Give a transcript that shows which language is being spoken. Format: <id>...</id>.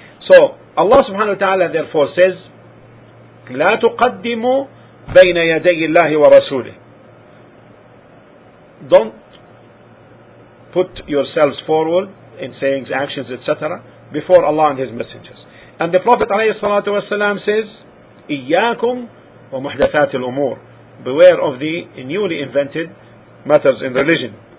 <en>So, Allah subhanahu wa ta'ala therefore says,</en> <ar>لا تقدموا بين يدي الله ورسوله.</ar> <en>Don't put yourselves forward in sayings, actions, etc. before Allah and His messengers. And the Prophet</en> <ar>عليه الصلاة والسلام</ar> <en>says,</en> <ar>إياكم ومحدثات الأمور.</ar> <en>Beware of the newly invented matters in religion.</en>